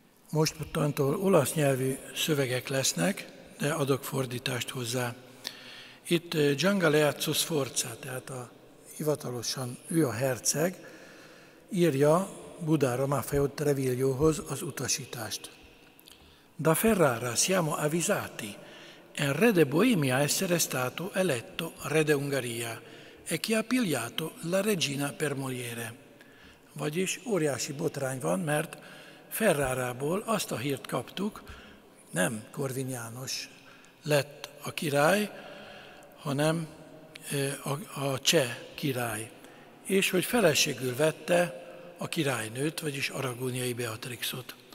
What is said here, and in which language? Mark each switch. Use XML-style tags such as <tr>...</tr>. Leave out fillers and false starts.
<hu>Mostantól olasz nyelvű szövegek lesznek, de adok fordítást hozzá. Itt Gian Galeazzo Sforza, tehát a hivatalosan ő a herceg, írja Budára Maffeo Trevillohoz az utasítást.</hu> <it>Da Ferrara siamo avvisati, en re de Bohemia essere stato eletto re de Ungaria, e chi ha pigliato la regina per moliere.</it> <hu>Vagyis óriási botrány van, mert Ferrarából azt a hírt kaptuk, nem Korvin János lett a király, hanem a cseh király, és hogy feleségül vette a királynőt, vagyis aragóniai Beatrixot.</hu>